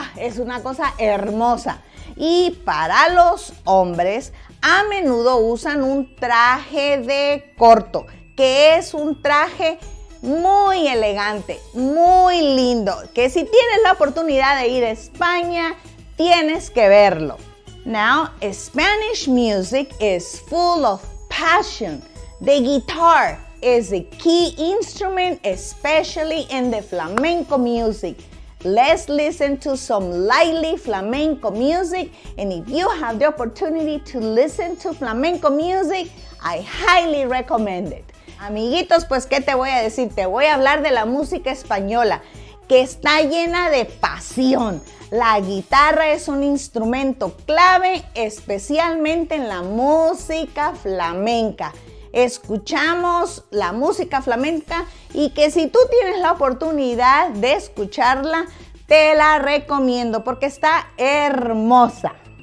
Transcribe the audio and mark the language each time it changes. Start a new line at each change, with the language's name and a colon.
Spanish: Es una cosa hermosa. Y para los hombres, a menudo usan un traje de corto, que es un traje muy elegante, muy lindo, que si tienes la oportunidad de ir a España, tienes que verlo.
English: Now, Spanish music is full of passion. The guitar is a key instrument, especially in the flamenco music. Let's listen to some lively flamenco music, and if you have the opportunity to listen to flamenco music, I highly recommend it.
Spanish: Amiguitos, pues, ¿qué te voy a decir? Te voy a hablar de la música española, que está llena de pasión. La guitarra es un instrumento clave, especialmente en la música flamenca. Escuchamos la música flamenca y que si tú tienes la oportunidad de escucharla, te la recomiendo porque está hermosa.